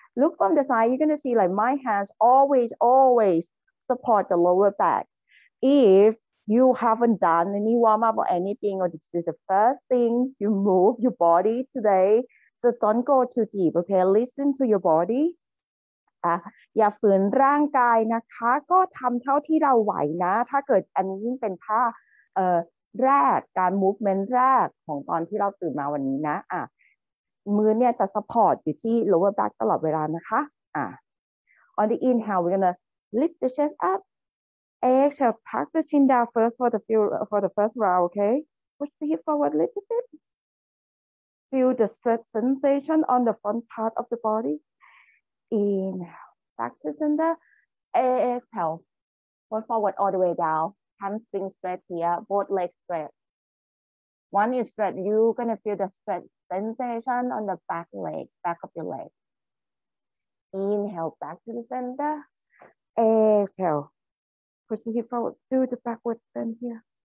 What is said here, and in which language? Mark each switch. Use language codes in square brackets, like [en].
[en] Look from the side, you're going to see like my hands always, always support the lower back. If you haven't done any warm up or anything, or this is the first thing you move your body today, so don't go too deep, okay? Listen to your body. [th] อย่าฝืนร่างกายนะคะก็ทำเท่าที่เราไหวนะถ้าเกิดอันนี้ยิ่งเป็นท่าแรกการ movement แรกของตอนที่เราตื่นมาวันนี้นะมือเนี่ยจะ support อยู่ที่ lower back ตลอดเวลานะคะ [en] On the inhale we're gonna lift the chest up exhale pack the chin down first for the first round okay push the hip forward a little bit feel the stretch sensation on the front part of the bodyInhale, back to center, exhale, fold forward all the way down, hamstring stretch here, both legs stretch. One is stretch, you're going to feel the stretch sensation on the back leg, back of your leg. Inhale, back to the center, exhale, push the hip forward, do the backward bend here.